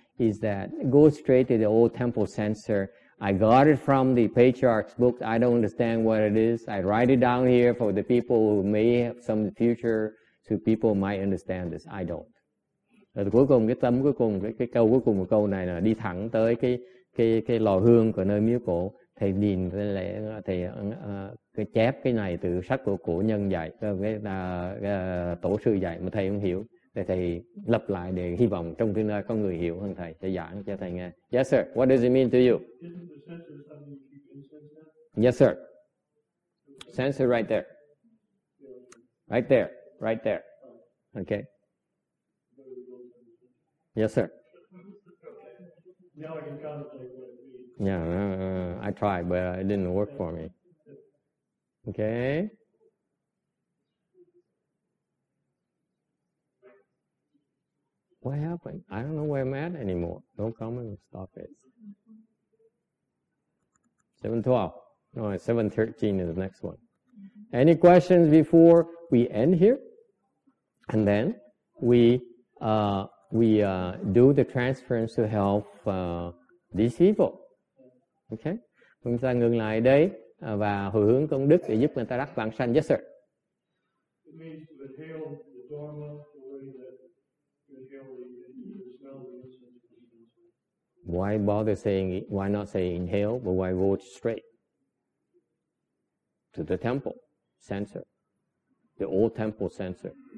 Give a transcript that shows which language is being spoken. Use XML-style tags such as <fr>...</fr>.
<en>is that go straight to the old temple censer. I got it from the patriarch's book. I don't understand what it is. I write it down here for the people who may have some future, so people might understand this. I don't.</en> <vi>Rồi cuối cùng cái tâm cuối cùng cái câu cuối cùng của câu này là đi thẳng tới cái lò hương của nơi miếu cổ, thầy nhìn cái lẽ thầy cái chép cái này từ sách của cổ nhân dạy, cái tổ sư dạy mà thầy không hiểu, thì thầy lập lại để hy vọng trong tương lai có người hiểu hơn thầy sẽ giảng cho thầy nghe.</vi> <en>Yes sir, what does it mean to you? Yes sir, censor right there, right there, right there, okay. Yes, sir. Now I can contemplate what it means. Yeah, I tried, but it didn't work for me. Okay. What happened? I don't know where I'm at anymore. Don't come and stop it. 7:12. No, 7:13 is the next one. Any questions before we end here? And then we do the transference to help these people. Okay?</en> <vi>Chúng ta ngừng lại đây và hồi hướng công đức để giúp người ta đắc vãng sanh.</vi> <en>Yes, sir. It means to inhale the Dharma the way that you inhale the smell of incense. Why bother saying, why not say inhale, but why go straight to the temple censer, the old temple censer?</en>